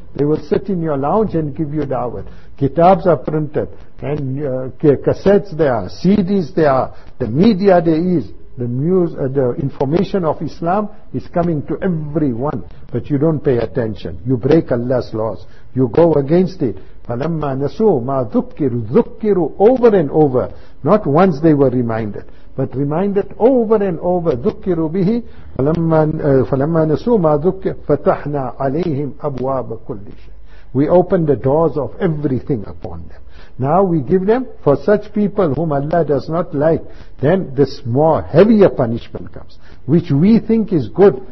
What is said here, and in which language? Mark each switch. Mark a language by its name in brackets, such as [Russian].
[English] They will sit in your lounge and give you da'wat. Kitabs are printed, and cassettes there are, CDs there are, the media there is. The news, the information of Islam is coming to everyone, but you don't pay attention. You break Allah's laws. You go against it. [Arabic] فَلَمَّا نَسُوا مَا ذُكِّرُوا ذُكِّرُوا [English] over and over. Not once they were reminded, but reminded over and over. [Arabic] ذُكِّرُوا بِهِ فَلَمَّا نَسُوا مَا ذُكِّرُوا فَتَحْنَا عَلَيْهِمْ أَبْوَابَ كُلِّ شَيْءٍ. [English] We open the doors of everything upon them. Now we give them, for such people whom Allah does not like, then this more heavier punishment comes, which we think is good.